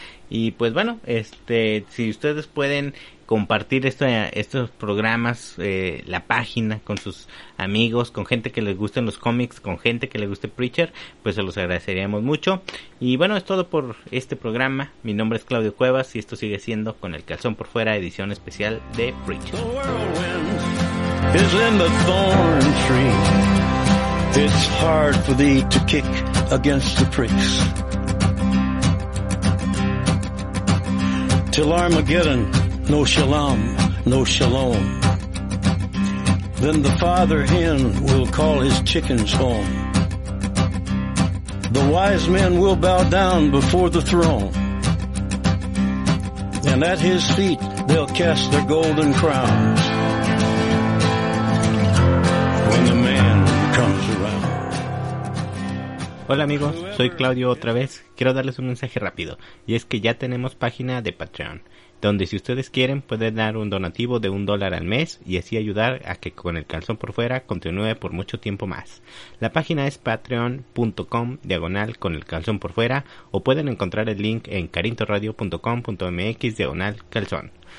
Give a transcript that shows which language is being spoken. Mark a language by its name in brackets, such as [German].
[Spanish] Y pues bueno, si ustedes pueden compartir estos programas, la página con sus amigos, con gente que les gusten los cómics, con gente que le guste Preacher, pues se los agradeceríamos mucho. Y bueno, es todo por este programa. Mi nombre es Claudio Cuevas y esto sigue siendo Con el Calzón por Fuera, edición especial de Preacher. [English] The whirlwind is in the thorn tree. It's hard for thee to kick against the pricks. Till Armageddon, no shalom, no shalom. Then the father hen will call his chickens home. The wise men will bow down before the throne. And at his feet they'll cast their golden crowns. When the man comes around. [Spanish] Hola amigos, soy Claudio otra vez. Quiero darles un mensaje rápido, y es que ya tenemos página de Patreon, donde si ustedes quieren pueden dar un donativo de $1 al mes y así ayudar a que Con el Calzón por Fuera continúe por mucho tiempo más. La página es patreon.com/conelcalzonporfuera o pueden encontrar el link en carintoradio.com.mx/calzón.